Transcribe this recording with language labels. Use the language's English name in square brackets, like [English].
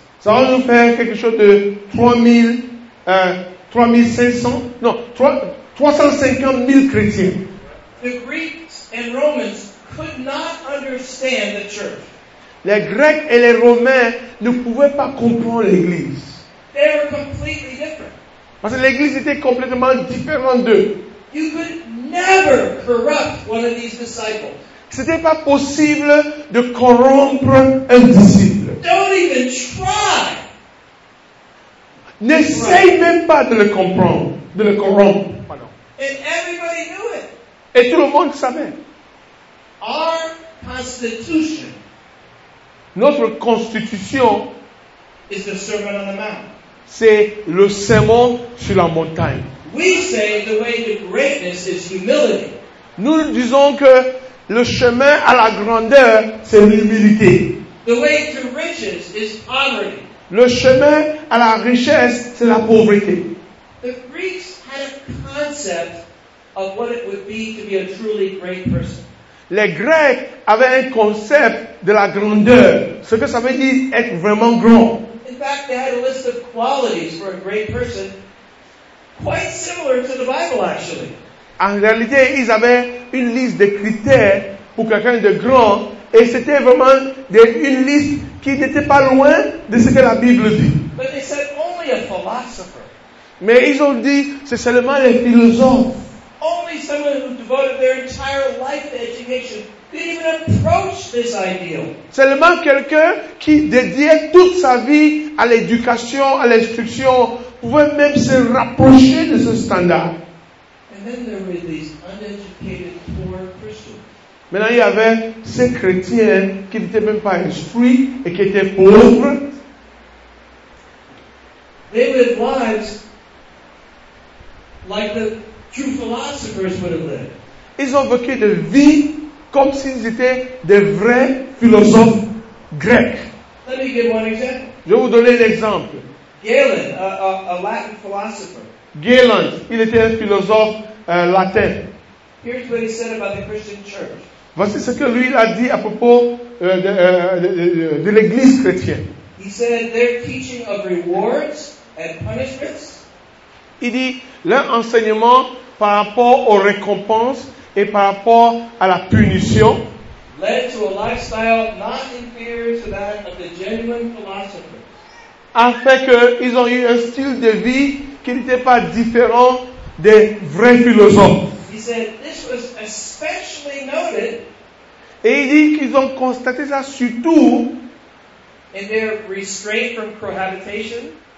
[French] Ça va nous faire quelque chose de 350 000 chrétiens. [English] The Greeks and Romans could not understand the church. [French] Les Grecs et les Romains ne pouvaient pas comprendre l'Église. [English] They were completely different. [French] Parce que l'Église était complètement différente d'eux. [English] You could never corrupt one of these disciples. [French] C'était pas possible de corrompre un disciple. [English] Don't even try. [French] N'essaye même pas de le comprendre, de le corrompre. Pardon. [English] And everybody knew it. [French] Et tout le monde savait. [English] Our constitution. [French] Notre constitution. [English] Is the Sermon on the Mount. [French] C'est le sermon sur la montagne. [English] We say the way to greatness is humility. [French] Nous disons que le chemin à la grandeur, c'est l'humilité. [English] The way to riches is poverty. [French] Le chemin à la richesse, c'est la pauvreté. [English] The Greeks had a concept of what it would be to be a truly great person. [French] Les Grecs avaient un concept de la grandeur, ce que ça veut dire être vraiment grand. [English] In fact, they had a list of qualities for a great person. quite similar to the Bible, actually. [French] En réalité, ils avaient une liste de critères pour quelqu'un de grand, et c'était vraiment une liste qui n'était pas loin de ce que la Bible dit. [English] But they said only a philosopher. [French] Mais ils ont dit, c'est seulement les philosophes. [English] Only someone who devoted their entire life to education could even approach this ideal. [French] Seulement quelqu'un qui dédiait toute sa vie à l'éducation, à l'instruction, pouvait même se rapprocher de ce standard. [English] And then there were these uneducated poor Christians. [French] Maintenant, il y avait ces chrétiens qui n'étaient même pas instruits et qui étaient pauvres. [English] They lived lives like the true philosophers would have lived. [French] Ils ont vécu des vies comme s'ils étaient des vrais philosophes grecs. [English] Let me give one example. [French] Je vais vous donner un exemple. [English] Galen, a Latin philosopher. [French] Galen, il était un philosophe latin. [English] Here's what he said about the Christian church. [French] Voici ce que lui a dit à propos de l'église chrétienne. [English] He said their teaching of rewards and punishments. [French] Il dit leur enseignement par rapport aux récompenses et par rapport à la punition [English] led to a lifestyle not inferior to that of the genuine philosophers. [French] A fait qu'ils ont eu un style de vie qui n'était pas différent des vrais philosophes. [English] He said, this was especially noted. [French] Et il dit qu'ils ont constaté ça surtout [English] in their restraint from cohabitation.